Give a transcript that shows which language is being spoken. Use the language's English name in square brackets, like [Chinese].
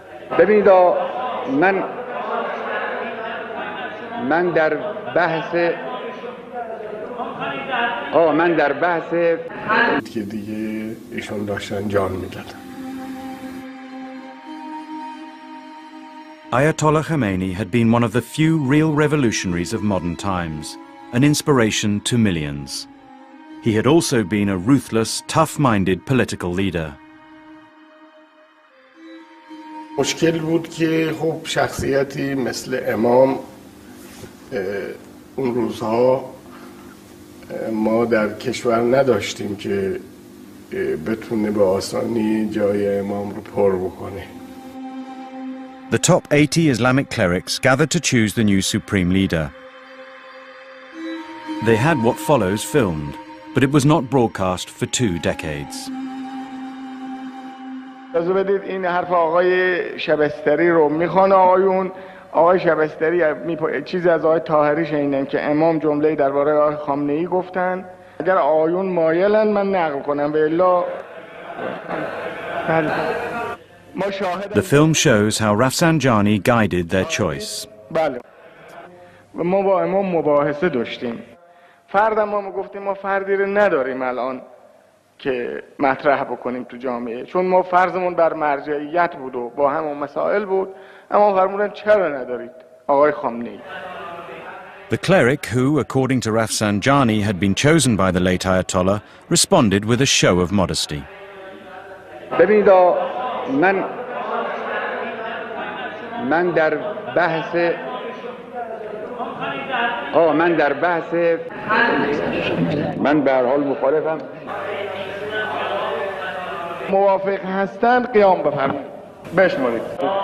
[English] Ayatollah Khomeini had been one of the few real revolutionaries of modern times, an inspiration to millions. He had also been a ruthless, tough-minded political leader. [Persian] مشکل بود که خب شخصیتی مثل امام اون روزها ما در کشور نداشتیم که بتونه به آسانی جای امام رو پر بکنه. [English] The top 80 Islamic clerics gathered to choose the new supreme leader. They had what follows filmed, but it was not broadcast for two decades. [Persian] بذار بدید این حرف آقای شبستری رو میخوان آقایون آقای شبستری چیز از آقای طاهری شنیدم که امام جمله‌ای درباره آقای خامنه‌ای گفتن اگر آقایون مایلن من نقل کنم به الا ما شاهد [English] The film shows how Rafsanjani guided their choice. [Persian] بله ما با امام مباحثه داشتیم فردا ما گفتیم ما فردی رو نداریم الان که مطرح بکنیم تو جامعه چون ما فرضمون بر مرجعیت بود و با همون مسائل بود اما فرمودن چرا ندارید آقای خامنه‌ای [English] The cleric who according to Rafsanjani had been chosen by the late Ayatollah responded with a show of modesty [Persian] ببینید من در بحث من در بحث من به هر حال مخالفم موافق هستند قیام بفرمایید بشمارید